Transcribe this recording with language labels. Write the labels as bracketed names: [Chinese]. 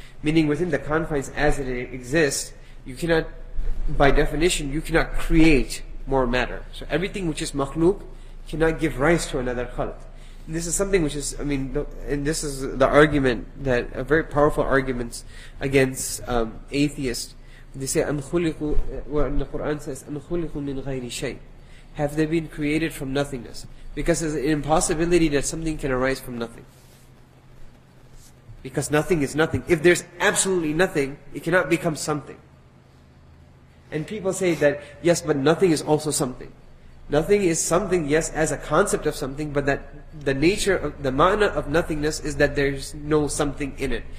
[English] Meaning within the confines as it exists, you cannot, by definition, you cannot create more matter. So everything which is makhluk cannot give rise to another khalq. And this is something which is, I mean, and this is the argument, that a very powerful argument against atheists. They say, أَمْ خُلِقُوا, where the Qur'an says, [Arabic] أَمْ خُلِقُوا مِنْ غَيْرِ شَيْءٍ. [English] Have they been created from nothingness? Because it's an impossibility that something can arise from nothing. Because nothing is nothing. If there's absolutely nothing, it cannot become something. And people say that, yes, but nothing is also something. Nothing is something, yes, as a concept of something, but that the nature of, the ma'na of nothingness is that there's no something in it.